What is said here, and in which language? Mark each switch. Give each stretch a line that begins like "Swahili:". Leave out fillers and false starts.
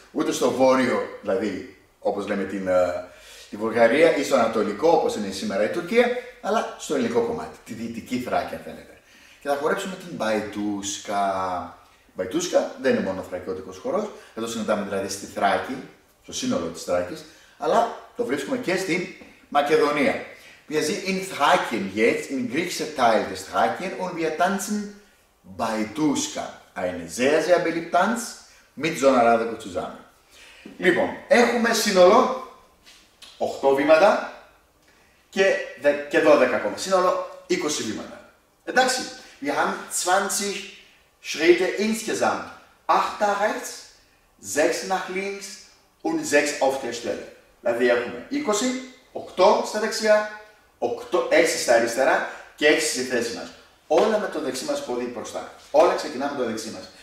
Greek: Ούτε στο βόρειο, δηλαδή, όπως λέμε τη Βουλγαρία, ή στο ανατολικό, όπως είναι σήμερα η Τουρκία, αλλά στο ελληνικό κομμάτι, τη δυτική Θράκη, αν θέλετε. Και θα χορέψουμε την Μπαϊτούσκα. Μπαϊτούσκα δεν είναι μόνο θρακιώτικος χορός, εδώ συναντάμε δηλαδή στη Θράκη, στο σύνολο της Θράκης, αλλά το βρίσκουμε και στην Μακεδονία.
German: Wir sind in Thrakien jetzt, im griechischen Teil des Thrakien, und wir tanzen Baituska, eine sehr, sehr beliebte Tanz mit Zonaradeko zusammen.
Greek: Λοιπόν, έχουμε σύνολο 8 βήματα και 12 ακόμα, σύνολο 20 βήματα.
German: Εντάξει, wir haben 20 Schritte insgesamt, 8 nach rechts, 6 nach links und 6 auf der Stelle.
Greek: Δηλαδή έχουμε 20, 8 στα δεξιά, 6 στα αριστερά και 6 στη θέση μας. Όλα με το δεξί μας πόδι μπροστά. Όλα ξεκινάμε με το δεξί μας.